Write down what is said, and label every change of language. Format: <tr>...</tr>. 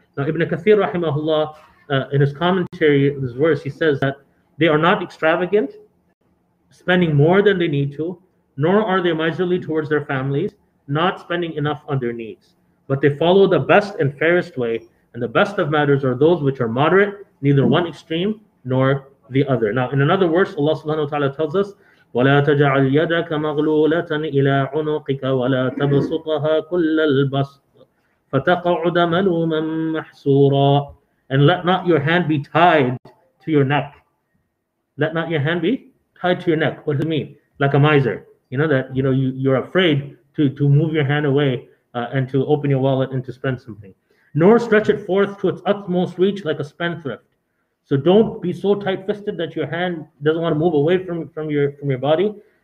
<en>Now, Ibn Kathir, rahimahullah, in his commentary, this verse, he says that they are not extravagant, spending more than they need to, nor are they miserly towards their families, not spending enough on their needs. But they follow the best and fairest way, and the best of matters are those which are moderate neither one extreme nor the other. Now, in another verse, Allah subhanahu wa ta'ala tells us,</en> <ar>وَلَا تَجَعَلْ يَدَكَ مَغْلُولَةً إِلَىٰ عُنُقِكَ وَلَا تَبَسُطَهَا كُلَّ الْبَسْطِ فَتَقَعُدَ مَلُومًا مَحْسُورًا.</ar> <en>And let not your hand be tied to your neck. Let not your hand be tied to your neck. What does it mean? Like a miser. You know that, you know, you're afraid to move your hand away and to open your wallet and to spend something. Nor stretch it forth to its utmost reach like a spendthrift. So don't be so tight-fisted that your hand doesn't want to move away from your body.</en>